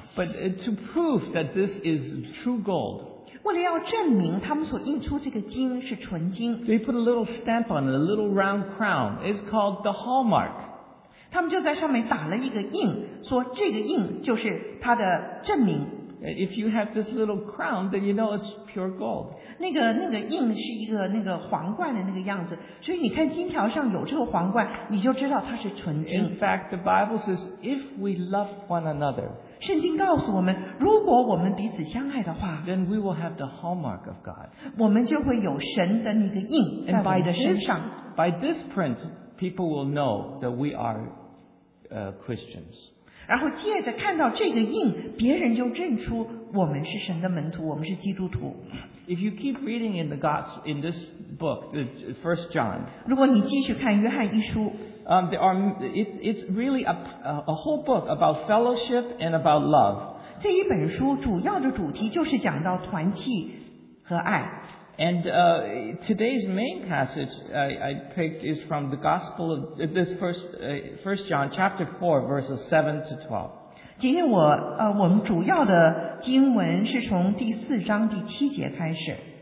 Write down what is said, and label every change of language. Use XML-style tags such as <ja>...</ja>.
<en>But to prove that this is true gold,</en> <zh>为了要证明他们所印出这个金是纯金，</zh> <en>they put a little stamp on it, a little round crown. It's called the hallmark.</en> <zh>他们就在上面打了一个印，说这个印就是它的证明。</zh> <en>If you have this little crown, then you know it's pure gold.</en> <zh>那个印是一个那个皇冠的那个样子，所以你看金条上有这个皇冠，你就知道它是纯金。</zh> <en>In fact, the Bible says, if we love one another,</en> <zh>圣经告诉我们，如果我们彼此相爱的话，</zh> <en>then we will have the hallmark of God.</en> <zh>我们就会有神的那个印在我们的身上。</zh> <en>By this print, people will know that we are Christians.</en> <zh>然后借着看到这个印，别人就认出我们是神的门徒，我们是基督徒。</zh> <en>If you keep reading in the Gospel, in this book, First John,</en> <zh>如果你继续看约翰一书，</zh> <en>It's really a whole book about fellowship and about love.</en> <zh>这一本书主要的主题就是讲到团契和爱。</zh> <en>And today's main passage I picked is from the Gospel of this First John chapter 4 verses 7-12.</en> <zh>今天我们主要的经文是从第四章第七节开始。</zh>